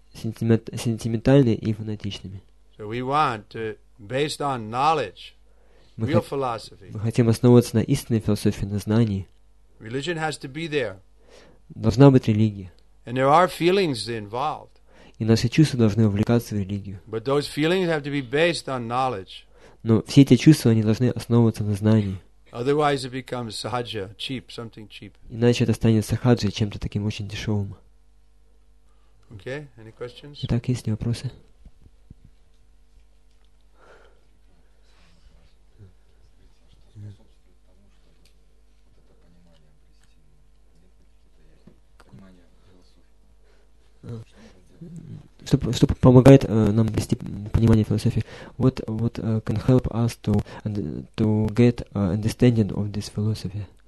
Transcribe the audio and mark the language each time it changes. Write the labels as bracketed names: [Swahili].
[Russian] Сентиментальные и фанатичными. [English] So we want to, based on knowledge, real philosophy. [Russian] Мы хотим основываться на истинной философии, на знании. [English] Religion has to be there. [Russian] Должна быть религия. [English] And there are feelings involved. [Russian] И наши чувства должны увлекаться в религию. [English] But those feelings have to be based on knowledge. [Russian] Но все эти чувства, они должны основываться на знании. [English] Otherwise it becomes sahaja, cheap, something cheap. [Russian] Иначе это станет сахаджа, чем-то таким очень дешевым. [English] Okay, any questions? [Russian] Итак, есть ли вопросы? что помогает нам вести понимание философии. [English] What can help us to get understanding of this philosophy?